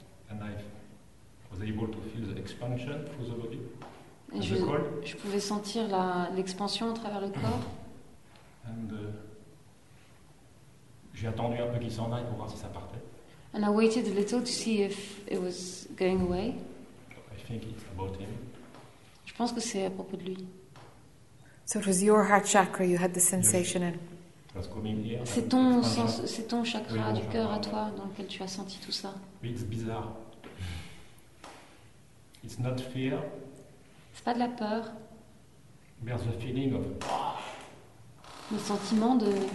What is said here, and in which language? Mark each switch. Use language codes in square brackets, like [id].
[en] And I was able to feel the expansion through the body. [fr] Et je pouvais sentir l'expansion à travers le corps. And j'ai attendu un peu qu'il s'en aille pour voir si ça partait. [en] And I waited a little to see if it was going away. I think it's about him. [fr] Je pense que c'est à propos de lui. [en] So it was your heart chakra you had the sensation in. [fr] C'est ton chakra du cœur à toi dans lequel tu as senti tout ça. [en] Oui, it's bizarre. It's not fear. [fr] C'est pas de la peur. [en] There's a feeling of. [fr] Le sentiment de.